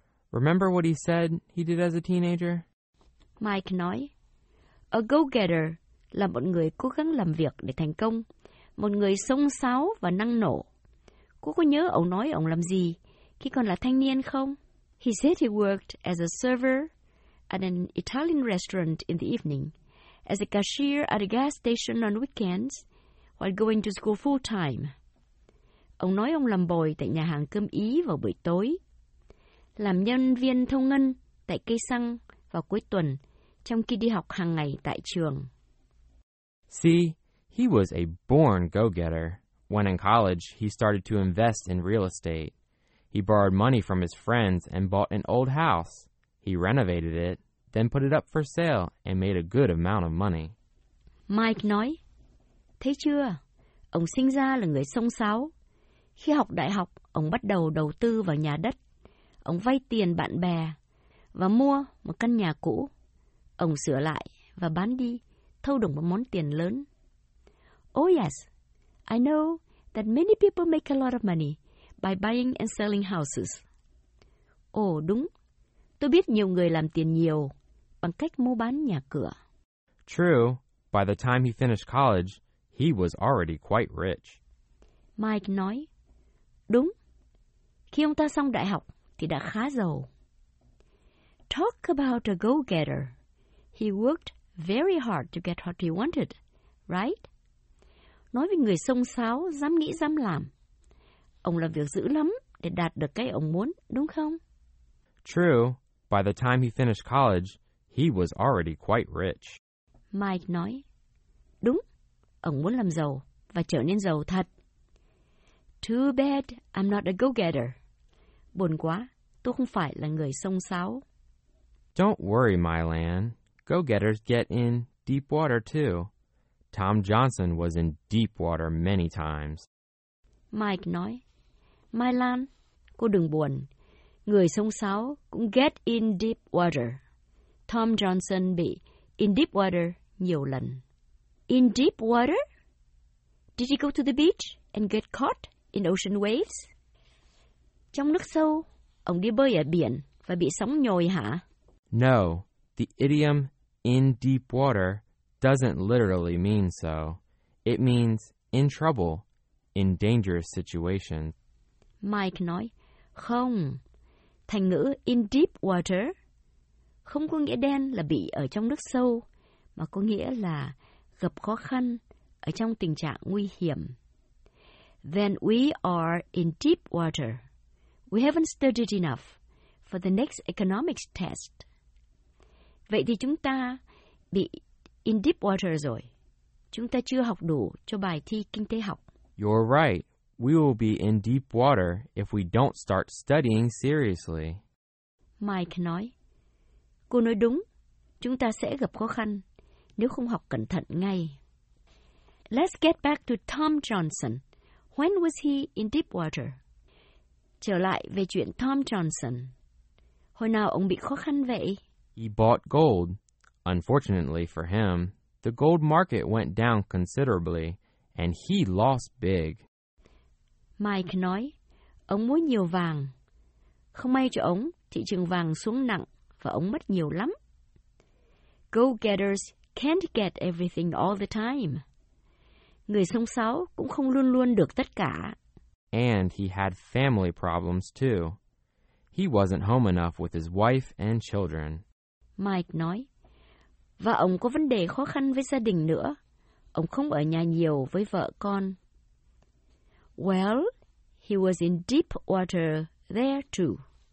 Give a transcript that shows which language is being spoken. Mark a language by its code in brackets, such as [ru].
[en] Remember what he said he did as a teenager? [vi] Mike nói, a go-getter là một người cố gắng làm việc để thành công, một người xông xáo và năng nổ. Cô có nhớ ông nói ông làm gì khi còn là thanh niên không? [en] He said he worked as a server at an Italian restaurant in the evening, as a cashier at a gas station on weekends, while going to school full time. [vi] Ông nói ông làm bồi tại nhà hàng cơm Ý vào buổi tối, làm nhân viên thông ngân tại cây xăng vào cuối tuần, trong khi đi học hàng ngày tại trường. [en] See, he was a born go-getter. When in college, he started to invest in real estate. He borrowed money from his friends and bought an old house. He renovated it, then put it up for sale and made a good amount of money. [vi] Mike nói, thấy chưa? Ông sinh ra là người xông xáo. Khi học đại học, ông bắt đầu đầu tư vào nhà đất. Ông vay tiền bạn bè và mua một căn nhà cũ. Ông sửa lại và bán đi, thâu được một món tiền lớn. [en] Oh yes. I know that many people make a lot of money by buying and selling houses. [vi] Oh, đúng. Tôi biết nhiều người làm tiền nhiều bằng cách mua bán nhà cửa. [en] True. By the time he finished college, he was already quite rich. [vi] Mike nói, đúng. Khi ông ta xong đại học thì đã khá giàu. [en] Talk about a go-getter. He worked very hard to get what he wanted, right? [vi] Nói về người xông xáo, dám nghĩ, dám làm. Ông làm việc dữ lắm để đạt được cái ông muốn, đúng không? [en] True. By the time he finished college, he was already quite rich. [vi] Mike nói. Đúng. ông muốn làm giàu và trở nên giàu thật. [en] Too bad I'm not a go-getter. [vi] Buồn quá, tôi không phải là người xông xáo. [en] Don't worry, Mylan. Go-getters get in deep water too. Tom Johnson was in deep water many times. [vi] Mike nói, Mylan, cô đừng buồn. Người xông xáo cũng get in deep water. Tom Johnson bị in deep water nhiều lần. [en] In deep water? Did he go to the beach and get caught in ocean waves? [vi] Trong nước sâu, ông đi bơi ở biển và bị sóng nhồi hả? [en] No, the idiom in deep water doesn't literally mean so. It means in trouble, in dangerous situations. [vi] Mike nói, không. Thành ngữ in deep water không có nghĩa đen là bị ở trong nước sâu, mà có nghĩa là gặp khó khăn, ở trong tình trạng nguy hiểm. [en] When we are in deep water, we haven't studied enough for the next economics test. [vi] Vậy thì chúng ta bị in deep water rồi. Chúng ta chưa học đủ cho bài thi kinh tế học. [en] You're right. We will be in deep water if we don't start studying seriously. [vi] Mike nói, cô nói đúng. Chúng ta sẽ gặp khó khăn nếu không học cẩn thận ngay. [en] Let's get back to Tom Johnson. When was he in deep water? [vi] Trở lại về chuyện Tom Johnson. Hồi nào ông bị khó khăn vậy? [en] He bought gold. Unfortunately for him, the gold market went down considerably, and he lost big. [vi] Mike nói, ông mua nhiều vàng. Không may cho ông, thị trường vàng xuống nặng và ông mất nhiều lắm. [en] Go-getters can't get everything all the time. [vi] Người xông xáo cũng không luôn luôn được tất cả. [en] And he had family problems too. He wasn't home enough with his wife and children. [vi] Mike nói, và ông có vấn đề khó khăn với gia đình nữa. Ông không ở nhà nhiều với vợ con. [en] Well, he was in deep water there too.